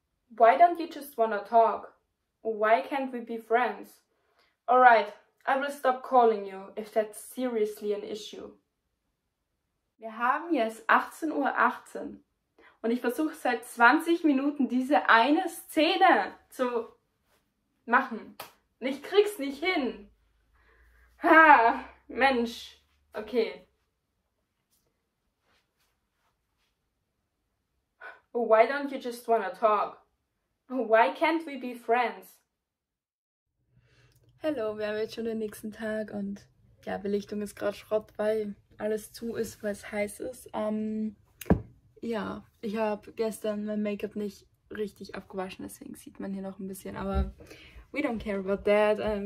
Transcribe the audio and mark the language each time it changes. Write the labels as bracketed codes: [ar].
[en] Why don't you just wanna talk? Why can't we be friends? Alright, I will stop calling you, if that's seriously an issue. [de] Wir haben jetzt 18.18 Uhr und ich versuche seit 20 Minuten diese eine Szene zu machen. Und ich krieg's nicht hin. Ha, Mensch, okay. [en] Why don't you just wanna talk? Why can't we be friends? [de] Hallo, wir haben jetzt schon den nächsten Tag und ja, Belichtung ist gerade Schrott, weil alles zu ist, weil es heiß ist. Ja, ich habe gestern mein Make-up nicht richtig abgewaschen, deswegen sieht man hier noch ein bisschen, aber [en] we don't care about that.